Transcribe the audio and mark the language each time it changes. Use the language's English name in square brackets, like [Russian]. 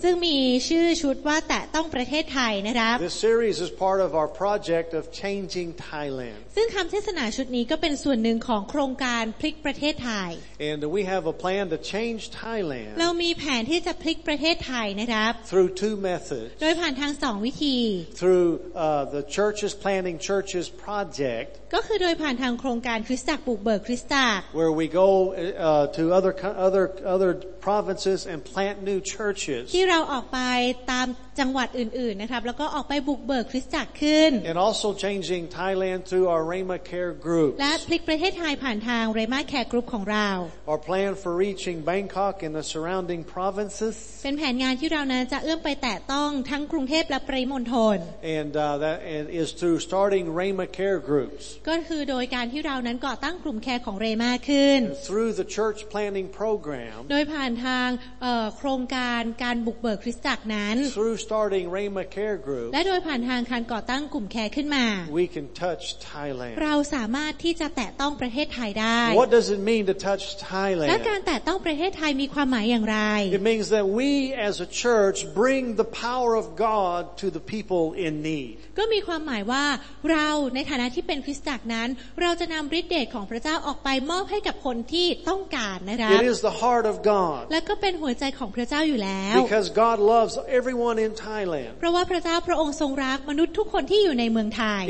[Thai] ซึ่งมีชื่อชุดว่าแตะต้องประเทศไทยนะครับ [English] This series is part of our project of changing Thailand. [Thai] ซึ่งคำเทศนาชุดนี้ก็เป็นส่วนหนึ่งของโครงการพลิกประเทศไทย [English] And we have a plan to change Thailand. [Thai] เรามีแผนที่จะพลิกประเทศไทยนะครับ [English] Through two methods. [Thai] โดยผ่านทางสองวิธี [English] Through the Churches Planting Churches Project. [Thai] ก็คือโดยผ่านทางโครงการคริสตจักรปลูกเบิกคริสตจักร [English] Where we go to other provinces and plant new churches [Thai] ที่เราออกไปตามจังหวัดอื่นๆนะครับแล้วก็ออกไปบุกเบิกคริสตจักรขึ้น [English] And also changing Thailand through our Rhema Care Group [Thai] และพลิกประเทศไทยผ่านทาง Rhema Care Group ของเรา [English] Our plan for reaching Bangkok and the surrounding provinces [Thai] เป็นแผนงานที่เรานั้นจะเอื้อมไปแตะต้องทั้งกรุงเทพและปริมณฑล [English] And that is through starting Rhema Care Groups [Thai] ก็คือโดยการที่เรานั้นก่อตั้งกลุ่มแคร์ของ Rhema ขึ้น [English] Through the church planting program [Thai] โดยผ่านทางโครงการการบุกเบิกคริสตจักรนั้น [English] Through starting Rhema Care Group [Thai] และโดยผ่านทางการก่อตั้งกลุ่มแคร์ขึ้นมา [English] We can touch Thailand [Thai] เราสามารถที่จะแตะต้องประเทศไทยได้ [English] What does it mean to touch Thailand [Thai] และการแตะต้องประเทศไทยมีความหมายอย่างไร [English] It means that we as a church bring the power of God to the people in need [Thai] ก็มีความหมายว่าเราในฐานะที่เป็นคริสตจักรนั้นเราจะนำฤทธิ์เดชของพระเจ้าออกไปมอบให้กับคนที่ต้องการนะครับ [English] It is the heart of God [Thai] และก็เป็นหัวใจของพระเจ้าอยู่แล้ว [English] Because God loves everyone in Thailand [Thai] เพราะว่าพระเจ้าพระองค์ทรงรักมนุษย์ทุกคนที่อยู่ในเมืองไทย